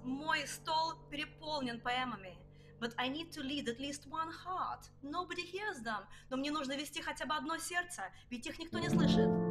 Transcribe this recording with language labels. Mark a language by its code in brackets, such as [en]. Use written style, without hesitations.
[ru] Мой стол переполнен поэмами. [en] But I need to lead at least one heart. Nobody hears them. [ru] Но мне нужно вести хотя бы одно сердце, ведь их никто не слышит.